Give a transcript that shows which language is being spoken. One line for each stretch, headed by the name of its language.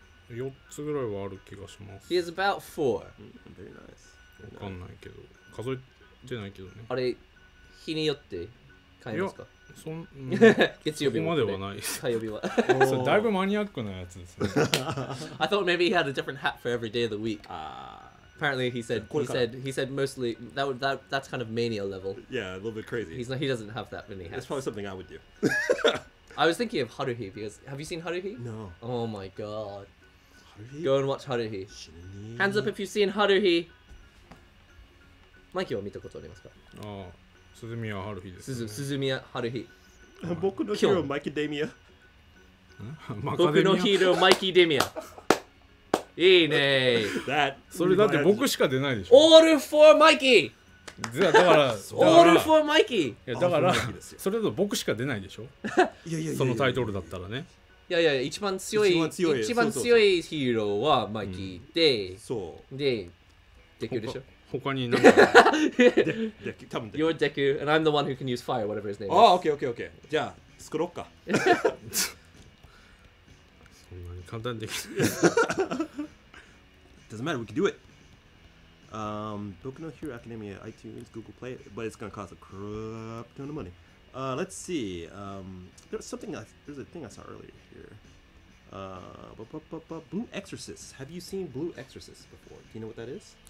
Japanese: 4つぐらいはある気がします。
English: He has about 4. Very nice.
Japanese: わかんないけど。じゃないけどね。あれ日によって変えますか。いや、月曜日そこまではない。火曜日は。そうだいぶマニアックなやつですね。
English: I thought maybe he had a different hat for every day of the week. Apparently he said mostly that's kind of mania level. Yeah, a little bit crazy. He doesn't have that many hats. That's probably something I would do. I was thinking of Haruhi because have you seen Haruhi? No. Oh my god. Haruhi. Go and watch Haruhi. Hands up if you've seen Haruhi.
Japanese: マイキーは見たことありますか。ああ、スズミヤハルヒです、ね。スズミヤハルヒ。僕のヒーローマイキーデミア。僕のヒーローマイキーデミア。いいね。それだって僕しか出ないでしょ。オールフォーマイキー。じゃだから。オールフォーマイキー。いやだからそれだと僕しか出ないでしょ。いや。そのタイトルだったらね。いやいや一番強いヒーローはマイキーで、うん、そうでできるでしょ。他に何か多分
English: You're Deku, and I'm the one who can use fire, whatever his name is. Oh, okay.
Japanese: じゃあ、作ろうか。そんなに簡単にできない。
English: Doesn't matter, we can do it. Boku no Hero Academia, iTunes, Google Play, but it's going to cost a crap ton of money. Let's see. There's a thing I saw earlier here. Blue Exorcist. Have you seen Blue Exorcist before? Do you know what that is?